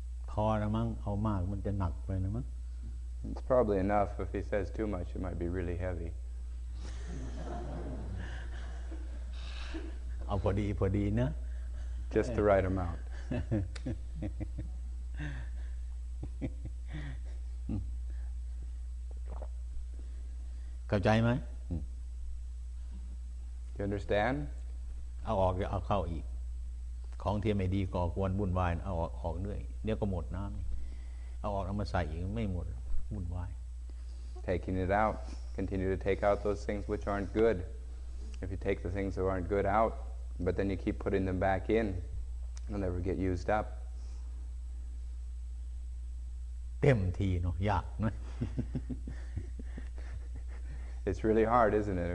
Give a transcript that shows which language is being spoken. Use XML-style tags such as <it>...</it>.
<th>พอละมั้งเอามากมันจะหนักไปนะมั้ง</th> <en>It's probably enough. If he says too much, it might be really heavy.</en> <th>เอาพอดีพอดีนะ</th> <en>Just the right amount.</en> <th>เข้าใจไหม</th> <en>Do you understand?</en> <th>เอาออกเอาเข้าอีกของที่ไม่ดีก่อกวนวุ่นวายเอาออกออกเรื่อยเดี๋ยวก็หมดน้ำเอาออกเอามาใส่อีกไม่หมดวุ่นวาย</th> <en>Taking it out, continue to take out those things which aren't good. If you take the things that aren't good out, but then you keep putting them back in, they'll never get used up.</en> <th>เต็มที่เนาะยากไ</th> <en>หม It's really hard, isn't it?</en>